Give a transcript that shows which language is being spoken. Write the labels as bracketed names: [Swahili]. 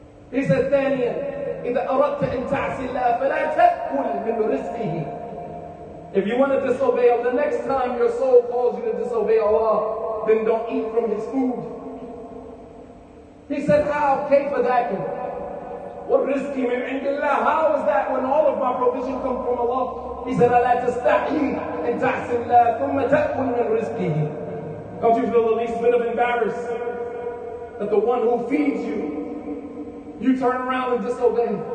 [English] He said, [Arabic] "ثانياً إذا أردت أن تعصي الله فلا تأكل من رزقه." [English] If you want to disobey Allah, the next time your soul calls you to disobey Allah, then don't eat from His food. He said, "How? [Arabic] كيف ذاك؟ ورزقي من عند الله. [English] How is that when all of my provision come from Allah?" He said, [Arabic] "أَلَا تَسْتَحْيِي أَن تَعْصِي اللَّهَ ثُمَّ تَأْكُلْ مِنْ رِزْقِهِ" [English] Don't you feel the least bit of embarrassed that the one who feeds you, you turn around and disobey?